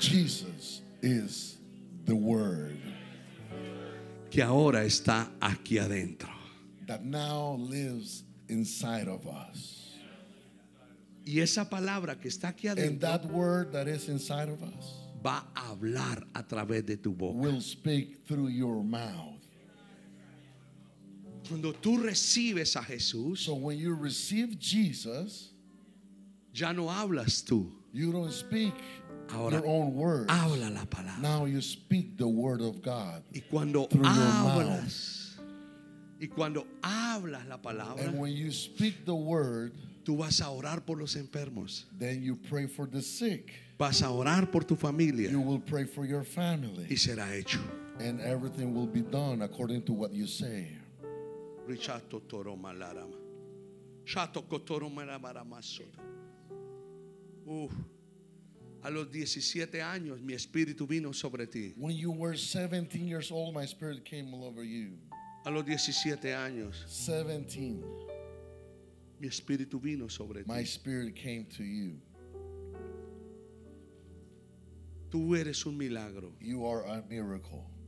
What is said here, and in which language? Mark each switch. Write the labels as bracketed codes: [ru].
[en] Jesus is the word. [es] Que ahora está aquí adentro. [en] That now lives inside of us. [es] Y esa palabra que está aquí adentro. [en] And that word that is inside of us. [es] Va a hablar a través de tu boca. [en] Will speak through your mouth. [es] Cuando tú recibes a Jesús. [en] So when you receive Jesus. [es] Ya no hablas tú. [en] You don't speak [es] ahora, [en] your own words. [es] Habla la palabra. [en] Now you speak the word of God. [es] Y cuando hablas, y cuando hablas la palabra, [en] and when you speak the word, [es] tú vas a orar por los enfermos. [en] Then you pray for the sick. [es] Vas a orar por tu familia. [en] You will pray for your family. [es] Y será hecho. [en] And everything will be done according to what you say. Richato toro malarama. Chato kotoro malarama sota. [es] A los 17 años mi espíritu vino sobre ti. [en] When you were 17 years old my spirit came all over you. [es] A los 17 años. [en] 17. [es] Mi espíritu vino sobre ti. [en] My spirit came to you. [es] Tú eres un milagro. [en] You are a miracle.